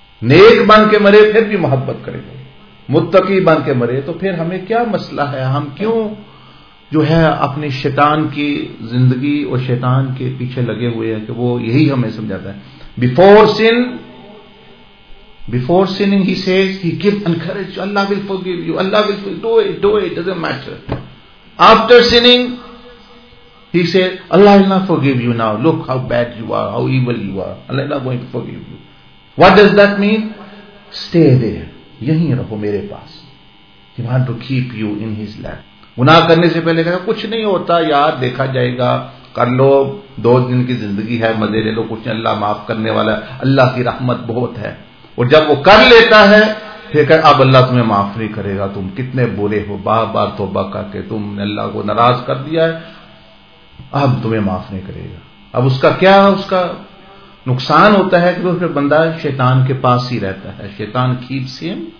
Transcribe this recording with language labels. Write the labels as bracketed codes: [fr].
[ur] نیک بن کے مرے پھر بھی محبت کرے گا متقی بن کے مرے تو پھر ہمیں کیا مسئلہ ہے ہم کیوں جو ہے اپنے شیطان کی زندگی اور شیطان کے پیچھے لگے ہوئے ہیں کہ وہ یہی ہمیں سمجھاتا ہے [en] before sinning he says he give encourage Allah will forgive you Allah will forgive. do it doesn't matter after sinning he says Allah will not forgive you now look how bad you are how evil you are Allah is not going to forgive you What does that mean? Stay there. [ur] یہیں رہو میرے پاس. [en] He wants to keep you in his lap. [ur] گناہ کرنے سے پہلے کہا کچھ نہیں ہوتا یار دیکھا جائے گا کر لو دو دن کی زندگی ہے مزے لے لو کچھ نہیں اللہ معاف کرنے والا اللہ کی رحمت بہت ہے اور جب وہ کر لیتا ہے پھر کہا اب اللہ تمہیں معاف نہیں کرے گا تم کتنے برے ہو بار بار توبہ کر کے تم نے اللہ کو ناراض کر دیا ہے اب تمہیں معاف نہیں کرے گا اب اس کا کیا اس کا نقصان ہوتا ہے کہ وہ پھر بندہ شیطان کے پاس ہی رہتا ہے شیطان [en] keeps him